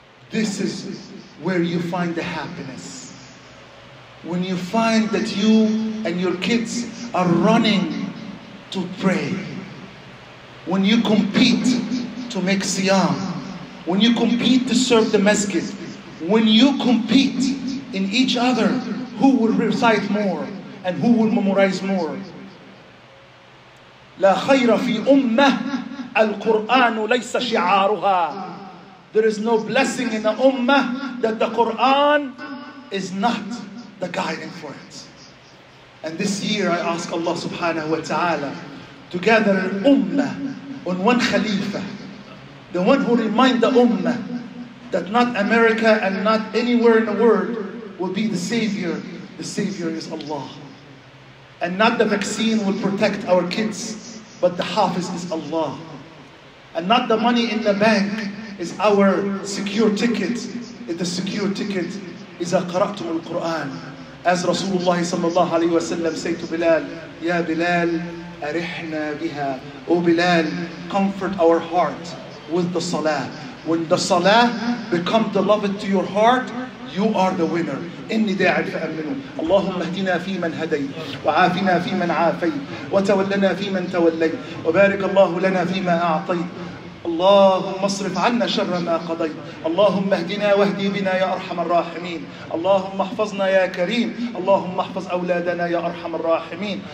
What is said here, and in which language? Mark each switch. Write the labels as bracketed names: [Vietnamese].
[English] This is where you find the happiness. When you find that you and your kids are running to pray. When you compete to make siyam. When you compete to serve the masjid. When you compete in each other. Who will recite more and who will memorize more? [Arabic] لا خير في أمة القرآن ليس شعارها. [English] There is no blessing in the ummah that the Quran is not the guiding for it. And this year I ask Allah subhanahu wa ta'ala to gather an ummah on one khalifa, the one who remind the ummah that not America and not anywhere in the world will be the savior. The savior is Allah. And not the vaccine will protect our kids, but the hafiz is Allah. And not the money in the bank is our secure ticket. The secure ticket is a qara'tum al-Quran. As Rasulullah sallallahu alayhi wa sallam say to Bilal, [Arabic] Ya Bilal, arihna biha. [English] O Bilal, comfort our heart with the salah. When the salah becomes the love to your heart, you are the winner. [Arabic] إني داعي فأمنوا. اللهم اهدنا في من هدي وعافنا في من عافي وتولنا في من تولي وبارك الله لنا فيما أعطيت. اللهم اصرف عنا شر ما قضيت. اللهم اهدنا واهدي بنا يا أرحم الراحمين. اللهم احفظنا يا كريم. اللهم احفظ أولادنا يا أرحم الراحمين.